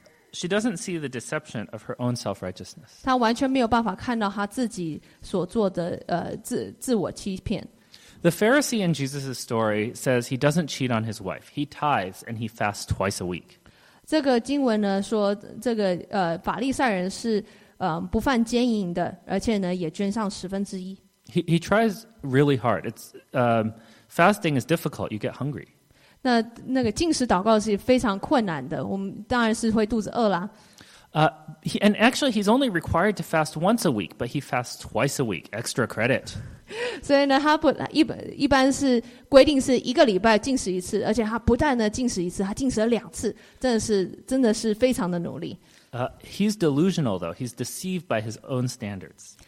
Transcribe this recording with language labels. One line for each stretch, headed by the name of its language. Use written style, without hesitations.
English: She doesn't see the deception of her own self-righteousness.
Chinese: 她完全没有办法看到她自己所做的自我欺骗。
English: The Pharisee in Jesus' story says he doesn't cheat on his wife. He tithes and he fasts twice a week.
Chinese: 这个经文呢说，这个法利赛人是不犯奸淫的，而且呢也捐上十分之一。
English: He tries really hard. It's fasting is difficult. You get hungry.
Chinese: 那个禁食祷告是非常困难的，我们当然是会肚子饿啦。
English: And actually, he's only required to fast once a week, but he fasts twice a week. Extra credit.
Chinese: 所以呢，他不一般是规定是一个礼拜禁食一次，而且他不但呢禁食一次，他禁食了两次，真的是非常的努力。
English: He's delusional, though. He's deceived by his own standards.